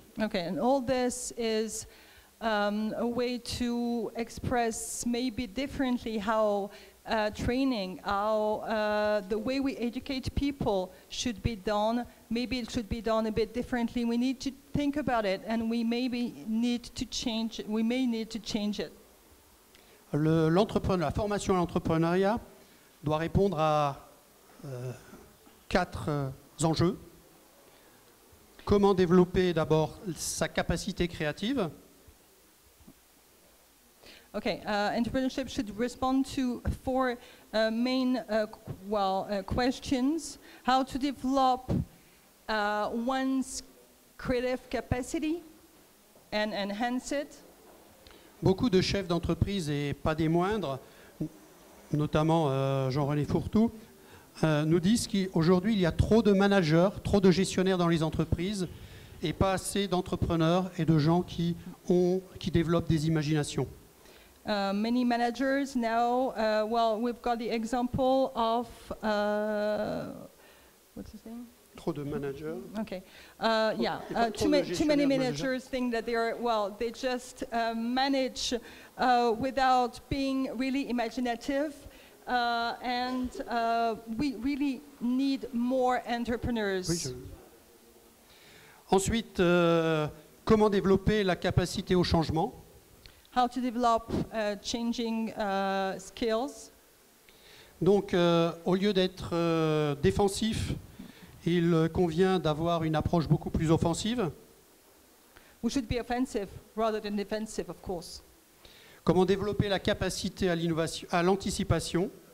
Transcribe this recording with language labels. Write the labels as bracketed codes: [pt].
[en] Okay, and all this is a way to express maybe differently how training, how the way we educate people should be done. Maybe it should be done a bit differently. We need to think about it, and we maybe need to change. We may need to change it. [fr] La formation à l'entrepreneuriat doit répondre à quatre enjeux. Comment développer d'abord sa capacité créative? [en] Okay, entrepreneurship should respond to four main questions. How to develop one's creative capacity and enhance it. [fr] Beaucoup de chefs d'entreprise et pas des moindres, notamment Jean-René Fourtou, nous disent qu'aujourd'hui il y a trop de managers, trop de gestionnaires dans les entreprises et pas assez d'entrepreneurs et de gens qui développent des imaginations. [en] Many managers now, we've got the example of, what's his name? [fr] Trop de managers. [en] Okay, too many managers think that they are, they just manage without being really imaginative. We really need more entrepreneurs. [fr] Ensuite, comment développer la capacité au changement? [en] How to develop changing skills. [fr] Donc, au lieu d'être défensif, il convient d'avoir une approche beaucoup plus offensive. [en] We should be offensive rather than defensive, of course. [fr] Comment développer la capacité à l'innovation, à l'anticipation?